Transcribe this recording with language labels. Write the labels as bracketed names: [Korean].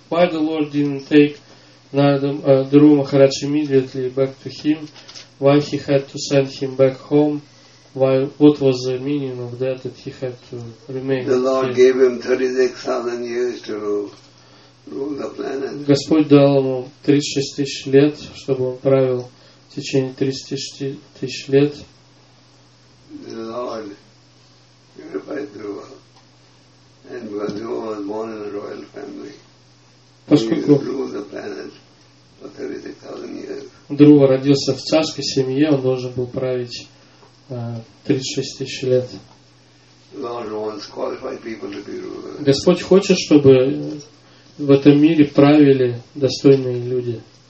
[English] Why the Lord didn't take Dhruva Maharaj immediately back to him? Why he had to send him back home? Why, what was the meaning of that, that he had to remain? The Lord gave him 36,000 years to rule the planet. [Russian] Господь дал ему 36 тысяч лет, чтобы он правил в течение 36 тысяч лет. [English] The Lord unified Dhruva. And Dhruva was born in a royal family. [Russian] Поскольку [English] ruled the planet for 36,000 years. [Russian] Dhruva родился в царской семье, он должен был править 36 тысяч лет. Господь хочет, чтобы в этом мире правили достойные люди.